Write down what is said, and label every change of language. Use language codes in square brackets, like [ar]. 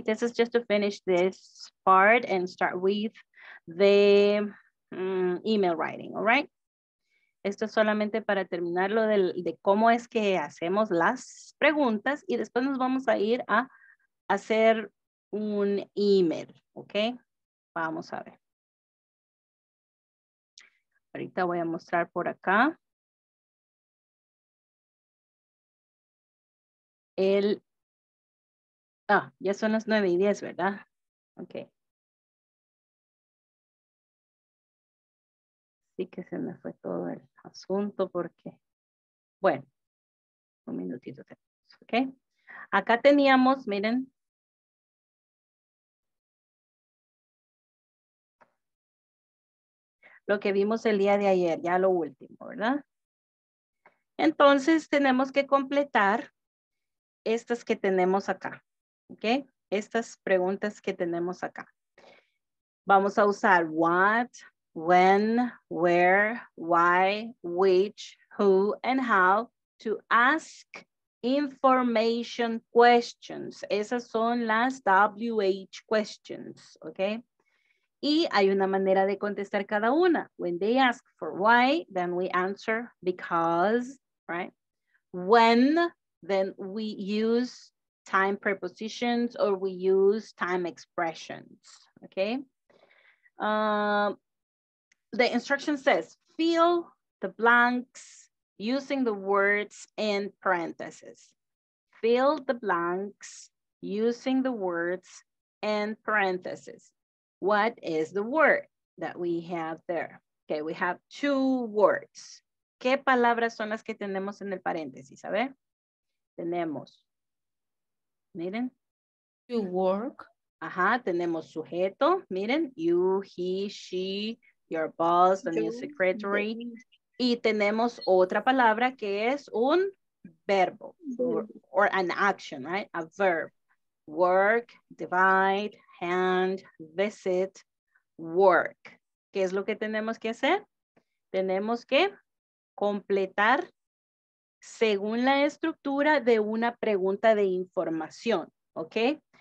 [en] This is just to finish this part and start with the email writing. All right. [es] Esto es solamente para terminar lo de cómo es que hacemos las preguntas y después nos vamos a ir a hacer un email, ¿ok? Vamos a ver. Ahorita voy a mostrar por acá el, ya son las 9:10, ¿verdad? Ok. Sí que se me fue todo el asunto porque Bueno, un minutito. Ok. Acá teníamos, miren. Lo que vimos el día de ayer, ya lo último, ¿verdad? Entonces tenemos que completar estas que tenemos acá, ¿ok? Estas preguntas que tenemos acá. Vamos a usar [en] what, when, where, why, which, who, and how to ask information questions. [es] Esas son las WH questions, ¿ok? Y hay una manera de contestar cada una. [en] When they ask for why, then we answer because, right? When, then we use time prepositions or we use time expressions, okay? The instruction says, fill the blanks using the words in parentheses. Fill the blanks using the words in parentheses. What is the word that we have there? Okay, we have two words. [es] ¿Qué palabras son las que tenemos en el paréntesis? A ver. Tenemos. Miren. [en] To work. [es] Ajá, tenemos sujeto. Miren. [en] You, he, she, your boss, the new secretary. [es] Y tenemos otra palabra que es un verbo. [en] Or an action, right? A verb. Work, divide. Hand, visit, work. [es] ¿Qué es lo que tenemos que hacer? Tenemos que completar según la estructura de una pregunta de información, ¿ok?